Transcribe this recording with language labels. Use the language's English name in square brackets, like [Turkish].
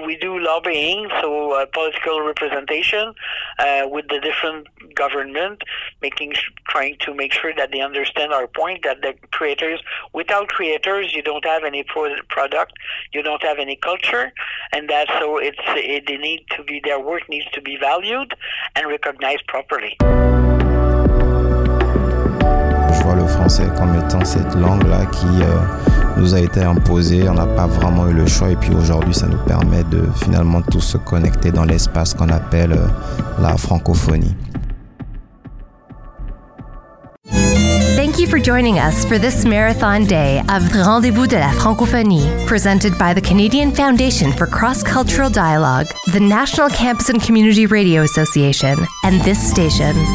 [English] We do lobbying, so political representation with the different government, trying to make sure that they understand our point, that the creators, without creators, you don't have any product, you don't have any culture, and that so it's they need to be, their work needs to be valued and recognized properly. [French] Je vois le français comme étant cette langue là qui nous a été imposé, on n'a pas vraiment eu le choix, et puis aujourd'hui ça nous permet de finalement tous se connecter dans l'espace qu'on appelle la francophonie. [English] Thank you for joining us for this marathon day of Rendez-vous de la Francophonie, presented by the Canadian Foundation for Cross-Cultural Dialogue, the National Campus and Community Radio Association, and this station.